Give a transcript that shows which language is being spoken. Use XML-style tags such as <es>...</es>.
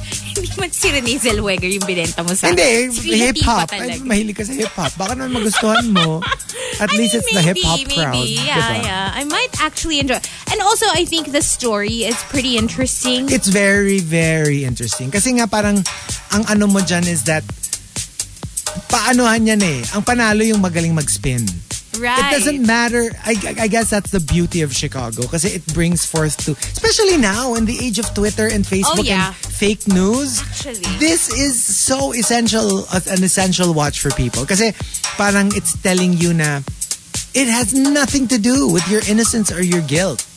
<tl>Hindi man si Renee Zellweger yung binenta mo sa... Hindi, hip-hop. Mahilig ka sa hip-hop. Baka naman magustuhan mo.</tl> <en>At least it's the hip-hop crowd. Maybe, yeah, yeah. I might actually enjoy. And also, I think the story is pretty interesting. It's very, very interesting.</en> <tl>Kasi nga parang, ang ano mo dyan</tl> <en>is that,</en> <tl>paanohan yan eh. Ang panalo yung magaling mag-spin.</tl> <en>Right. It doesn't matter. I guess that's the beauty of Chicago because it brings forth to, especially now in the age of Twitter and Facebook and fake news. Actually, this is so essential, an essential watch for people because</en> <tl>parang</tl> <en>it's telling you na it has nothing to do with your innocence or your guilt.</en>